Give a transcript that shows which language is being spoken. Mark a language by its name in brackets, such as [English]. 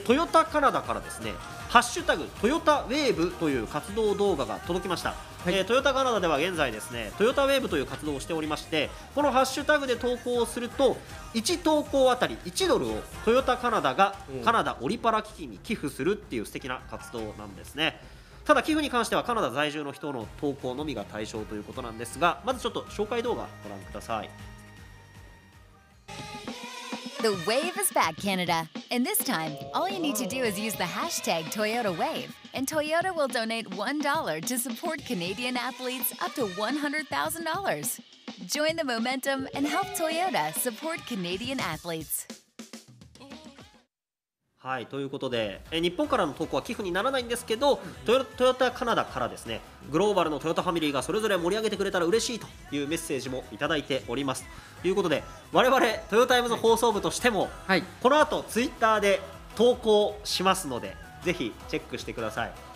[Japanese] トヨタカナダからですね、ハッシュタグトヨタウェーブという活動動画が届きました、はい、トヨタカナダでは現在ですね、トヨタウェーブという活動をしておりまして、このハッシュタグで投稿をすると1投稿あたり1ドルをトヨタカナダがカナダオリパラ基金に寄付するっていう素敵な活動なんですね。ただ寄付に関してはカナダ在住の人の投稿のみが対象ということなんですが、まずちょっと紹介動画ご覧ください。 [English] The wave is back, Canada. And this time, all you need to do is use the hashtag ToyotaWave, and Toyota will donate $1 to support Canadian athletes up to $100,000. Join the momentum and help Toyota support Canadian athletes. [Japanese] はい、ということで、日本からの投稿は寄付にならないんですけど、トヨタカナダからですね、グローバルのトヨタファミリーがそれぞれ盛り上げてくれたら嬉しいというメッセージもいただいておりますということで、我々トヨタイムズ放送部としても、はい、この後ツイッターで投稿しますので、ぜひチェックしてください。